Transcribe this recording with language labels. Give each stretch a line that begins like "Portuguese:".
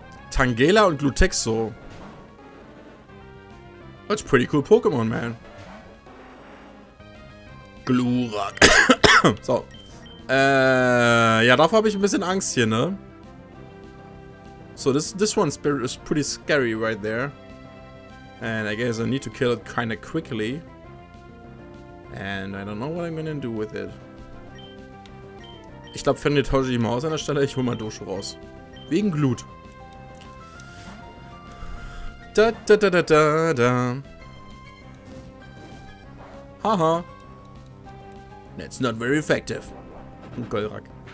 German: Tangela und Glutexo.
English: That's pretty cool Pokémon, man. Glurak. So.
German: Ja, davor habe ich ein bisschen Angst hier, ne?
English: So, this one spirit is pretty scary right there. And I guess I need to kill it kinda quickly. And I don't know what I'm gonna do with it.
German: Ich glaube, Fenrir tausche ich mal aus an der Stelle. Ich hol mal Dosho raus. Wegen Glut. Da da da da da da.
English: Haha. That's not very effective. Golrak.